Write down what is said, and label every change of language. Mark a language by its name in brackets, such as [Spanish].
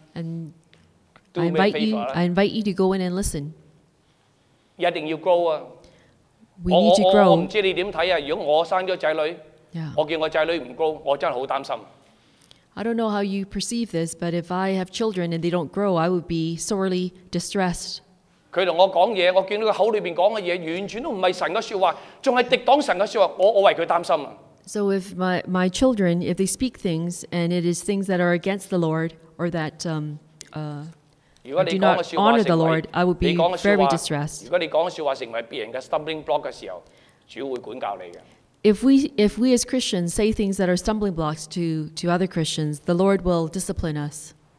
[English] And I invite you to go in and listen. [Cantonese] 一定要 grow 啊。 [English] We need to grow. [Cantonese] 我唔知你點睇啊。如果我生咗仔女， [English] yeah. [Cantonese] 我見我仔女唔 grow， 我真係好擔心。 [English] I don't know how you perceive this, but if I have children and they don't grow, I would be sorely distressed. [Cantonese] 佢同我講嘢，我見到佢口裏邊講嘅嘢完全都唔係神嘅説話，仲係敵擋神嘅説話，我為佢擔心啊。 [English] So if my children, if they speak things and it is things that are against the Lord or that do not honor the Lord, I would be very distressed. [Cantonese] 如果你講嘅説話成為別人嘅 stumbling block 嘅時候，主會管教你嘅。 [English] If we as Christians say things that are stumbling blocks to other Christians, the Lord will discipline us.